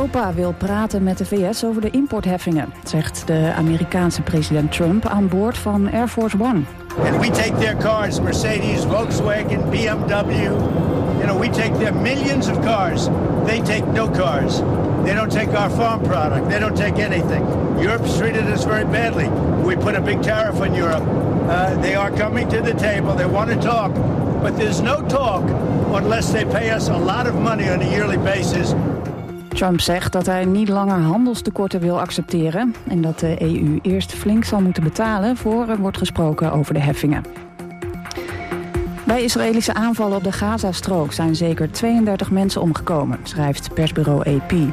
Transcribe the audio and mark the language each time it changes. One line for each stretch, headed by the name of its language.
Dutch: Europa wil praten met de VS over de importheffingen, zegt de Amerikaanse president Trump aan boord van Air Force One.
English: And we take their cars, Mercedes, Volkswagen, BMW. You know, we take their millions of cars. They take no cars. They don't take our farm product. They don't take anything. Europe's treated us very badly. We put a big tariff on Europe. They are coming to the table. They want to talk. But there's no talk unless they pay us a lot of money on a yearly basis.
Dutch: Trump zegt dat hij niet langer handelstekorten wil accepteren en dat de EU eerst flink zal moeten betalen voor er wordt gesproken over de heffingen. Bij Israëlische aanvallen op de Gazastrook zijn zeker 32 mensen omgekomen, schrijft persbureau AP.